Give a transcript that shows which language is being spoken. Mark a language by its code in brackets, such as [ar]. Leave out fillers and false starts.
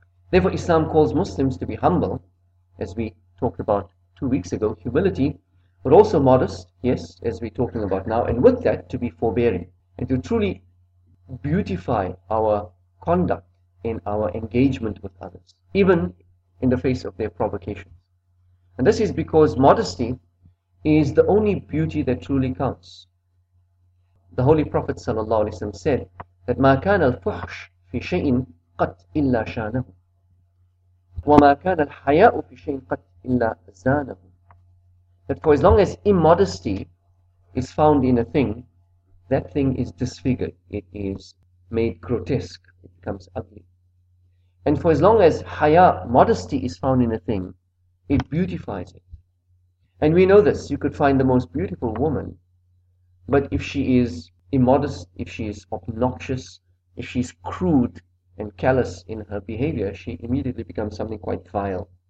[en] Therefore, Islam calls Muslims to be humble, as we talked about 2 weeks ago, humility, but also modest, yes, as we're talking about now, and with that, to be forbearing, and to truly beautify our conduct in our engagement with others, even in the face of their provocations. And this is because modesty is the only beauty that truly counts. The Holy Prophet sallallahu alaihi wasallam said that [ar] ما كان الفحش في شيء قط إلا شانه وما كان الحياء في شيء قط إلا زانه. [en] That for as long as immodesty is found in a thing, that thing is disfigured, it is made grotesque, it becomes ugly. And for as long as haya, modesty, is found in a thing, it beautifies it. And we know this, you could find the most beautiful woman, but if she is immodest, if she is obnoxious, if she is crude and callous in her behavior, she immediately becomes something quite vile.